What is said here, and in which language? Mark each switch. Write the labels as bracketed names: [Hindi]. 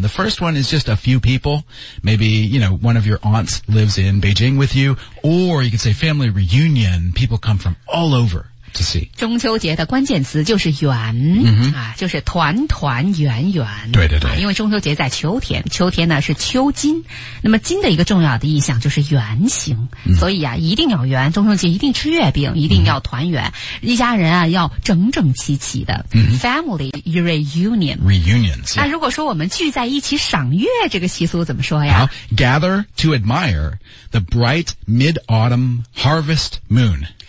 [English] The first one is just a few people. Maybe, you know, one of your aunts lives in Beijing with you. Or you can say family reunion. People come from all over. to see. [Chinese] 中秋节的关键词就是圆、 mm-hmm. 啊，就是团团圆圆。对对对、啊，因为中秋节在秋天，秋天呢是秋金，那么金的一个重要的意象就是圆形、 mm-hmm. 所以啊一定要圆，中秋节一定吃月饼，一定要团圆、mm-hmm. 一家人啊要整整齐齐的、 mm-hmm. [English] Family reunion. Reunions、yeah. [Chinese] 那如果说我们聚在一起赏月这个习俗怎么说呀、 uh-huh. [English] Gather to admire the bright mid-autumn harvest moon.